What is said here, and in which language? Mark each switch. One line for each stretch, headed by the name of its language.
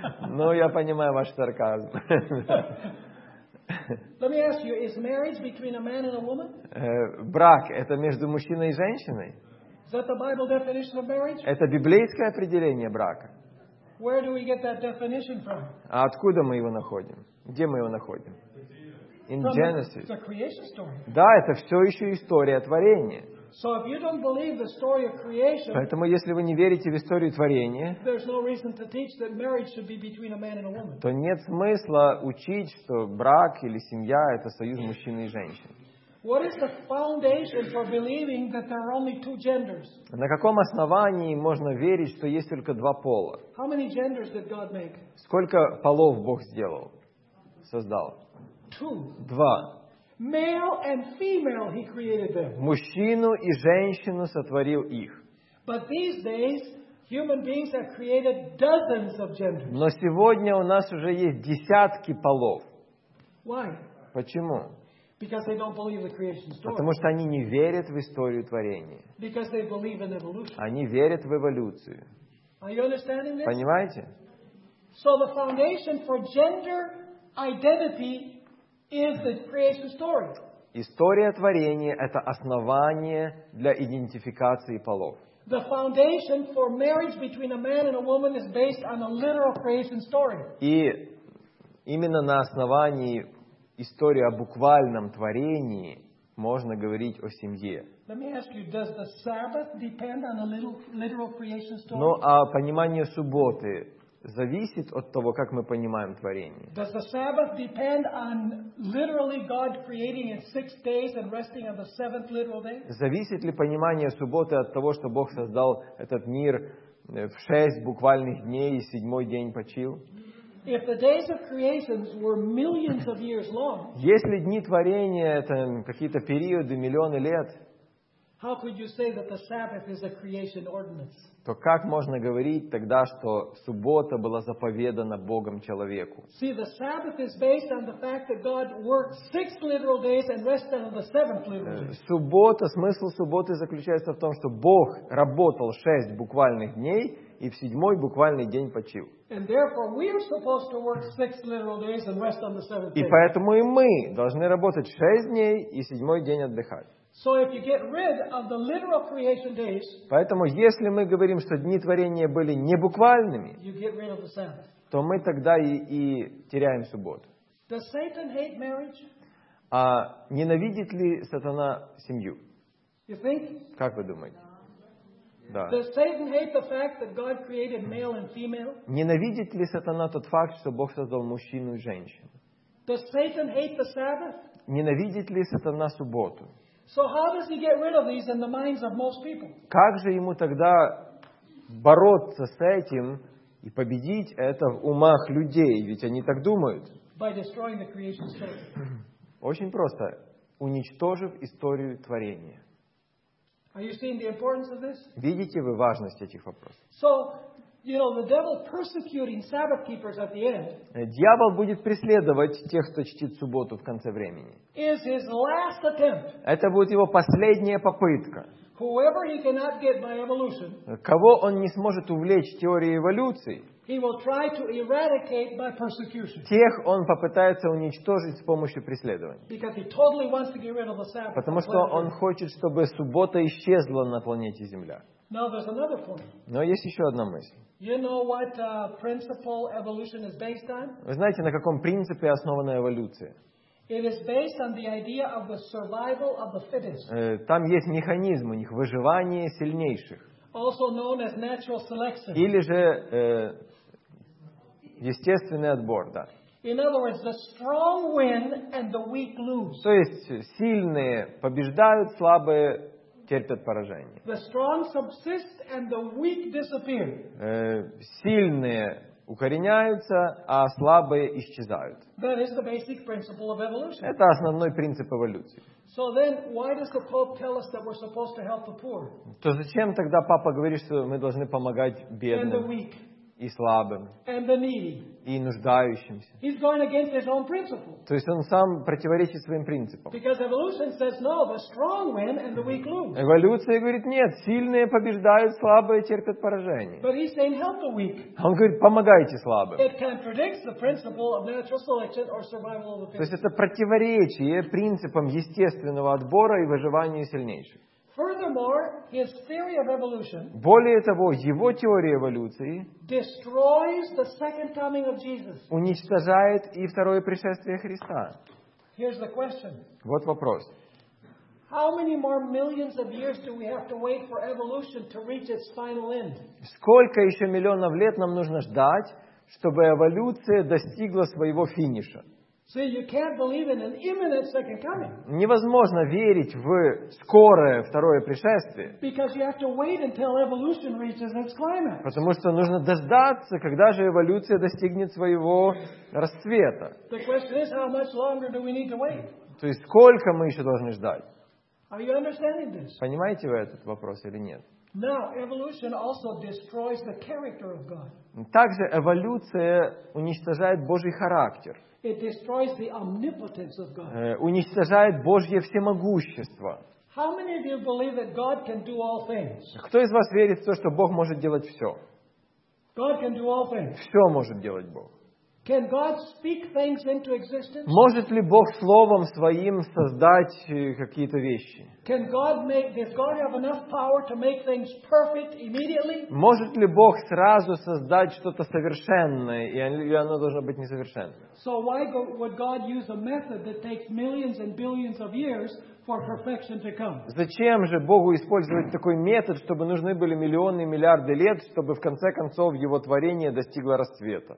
Russian: Ну, я понимаю ваш сарказм.
English: Let me ask you, is marriage between a man and a woman?
Russian: Брак – это между мужчиной и женщиной?
English: Is that the Bible definition of marriage?
Russian: Это библейское определение брака.
English: Where do we get that definition from?
Russian: А откуда мы его находим? Где мы его находим?
English: In Genesis. It's a creation story.
Russian: Да, это все еще история творения.
English: So if you don't believe the story of creation,
Russian: поэтому если вы не верите в историю творения,
English: there's no reason to teach that marriage should be between a man and a woman.
Russian: То нет смысла учить, что брак или семья – это союз мужчины и женщины.
English: What is the foundation for believing that there are only two genders?
Russian: На каком основании можно верить, что есть только два пола?
English: How many genders did God make?
Russian: Сколько полов Бог сделал? Создал?
English: Two.
Russian: Два.
English: Male and female he created them.
Russian: Мужчину и женщину сотворил их.
English: But these days Human beings have created dozens of genders.
Russian: Но сегодня у нас уже есть десятки полов.
English: Why?
Russian: Почему?
English: Because they don't believe the creation story.
Russian: Потому что они не верят в историю творения.
English: Because they believe in evolution.
Russian: Они верят в эволюцию.
English: Are you understanding this?
Russian: Понимаете?
English: So the foundation for gender identity is the creation story.
Russian: История творения — это основание для идентификации полов.
English: The foundation for marriage between a man and a woman is based on a literal creation story.
Russian: И именно на основании истории о буквальном творении можно говорить о семье.
English: Let me ask you, does the Sabbath depend on a literal creation story?
Russian: Ну, а понимание субботы зависит от того, как мы понимаем творение.
English: Does the Sabbath depend on literally God creating in six days and resting on the seventh literal day?
Russian: Зависит ли понимание субботы от того, что Бог создал этот мир в шесть буквальных дней и седьмой день почил?
English: If the days of creation were millions of years long,
Russian: если дни творения это какие-то периоды, миллионы лет,
English: how could you say that the Sabbath is a creation ordinance?
Russian: То как можно говорить тогда, что суббота была заповедана Богом человеку?
English: See, the Sabbath is based on the fact that God worked six literal days and rested on the seventh literal day.
Russian: Суббота, смысл субботы заключается в том, что Бог работал шесть буквальных дней и в седьмой буквальный день почил.
English: And therefore we are supposed to work six literal days and rest on the seventh day.
Russian: И поэтому и мы должны работать шесть дней и седьмой день отдыхать.
English: So if you get rid of the literal creation days,
Russian: поэтому если мы говорим, что дни творения были не буквальными,
English: you get rid of the Sabbath.
Russian: То мы тогда и теряем субботу.
English: Does Satan hate marriage?
Russian: А ненавидит ли сатана семью?
English: You think?
Russian: Как вы думаете? Да.
English: Does Satan hate the fact that God created male and female?
Russian: Ненавидит ли сатана тот факт, что Бог создал мужчину и женщину?
English: Does Satan hate the Sabbath?
Russian: Ненавидит ли сатана субботу?
English: So how does he get rid of these in the minds of most people?
Russian: Как же ему тогда бороться с этим и победить это в умах людей, ведь они так думают?
English: By destroying the creation story.
Russian: Очень просто, уничтожив историю творения.
English: Are you seeing the importance of this?
Russian: Видите вы важность этих вопросов?
English: So, you know, the devil persecuting Sabbath keepers at the end.
Russian: Дьявол будет преследовать тех, кто чтит субботу в конце времени.
English: Is his last attempt.
Russian: Это будет его последняя попытка.
English: Whoever he cannot get by evolution.
Russian: Кого он не сможет увлечь теорией эволюции.
English: He will try to eradicate by persecution.
Russian: Тех он попытается уничтожить с помощью преследования.
English: Because he totally wants to get rid of the Sabbath.
Russian: Потому что он хочет, чтобы суббота исчезла на планете Земля.
English: Now there's another point.
Russian: Но есть еще одна мысль.
English: You know what principle evolution is based on?
Russian: Вы знаете, на каком принципе основана эволюция?
English: It is based on the idea of the survival of the fittest.
Russian: Там есть механизм у них выживание сильнейших.
English: Also known as natural selection.
Russian: Или же естественный отбор, да.
English: In other words, the strong win and the weak lose.
Russian: То есть сильные побеждают, слабые терпят поражение.
English: The strong subsist and the weak disappear.
Russian: Сильные укореняются, а слабые исчезают.
English: That is the basic principle of evolution.
Russian: Это основной принцип эволюции.
English: So then, why does the Pope tell us that we're supposed to help the poor?
Russian: То зачем тогда папа говорит, что мы должны помогать бедным?
English: And the weak.
Russian: И слабым.
English: And the needy.
Russian: И нуждающимся.
English: He's going against his own principle.
Russian: То есть он сам противоречит своим принципам.
English: Because evolution says no, the strong win and the weak lose.
Russian: Эволюция говорит нет, сильные побеждают, слабые терпят поражение.
English: But he's saying help the weak.
Russian: Он говорит помогайте слабым.
English: It contradicts the principle of natural selection or survival of the fittest.
Russian: То есть это противоречие принципам естественного отбора и выживания сильнейших.
English: Furthermore, his theory of evolution.
Russian: Более того, его теория эволюции
English: destroys the second coming of Jesus.
Russian: Уничтожает и второе пришествие Христа.
English: Here's the question.
Russian: Вот вопрос.
English: How many more millions of years do we have to wait for evolution to reach its final end?
Russian: Сколько еще миллионов лет нам нужно ждать, чтобы эволюция достигла своего финиша?
English: See, you can't believe in an imminent second coming.
Russian: Невозможно верить в скорое второе пришествие.
English: Because you have to wait until evolution reaches its climax.
Russian: Потому что нужно дождаться, когда же эволюция достигнет своего расцвета.
English: The question is, how much longer do we need to wait?
Russian: То есть сколько мы еще должны ждать?
English: Are you understanding this?
Russian: Понимаете вы этот вопрос или нет?
English: Now, evolution also destroys the character of God.
Russian: Также эволюция уничтожает Божий характер.
English: It destroys the omnipotence of God.
Russian: Уничтожает Божье всемогущество.
English: How many of you believe that God can do all things?
Russian: Кто из вас верит в то, что Бог может делать все?
English: God can do all things.
Russian: Все может делать Бог.
English: Can God speak things into existence?
Russian: Может ли Бог словом своим создать какие-то вещи?
English: Can God make? Does God have enough power to make things perfect immediately?
Russian: Может ли Бог сразу создать что-то совершенное, и оно должно быть несовершенным?
English: So why would God use a method that takes millions and billions of years for perfection to come?
Russian: Зачем же Богу использовать такой метод, чтобы нужны были миллионы и миллиарды лет, чтобы в конце концов его творение достигло расцвета?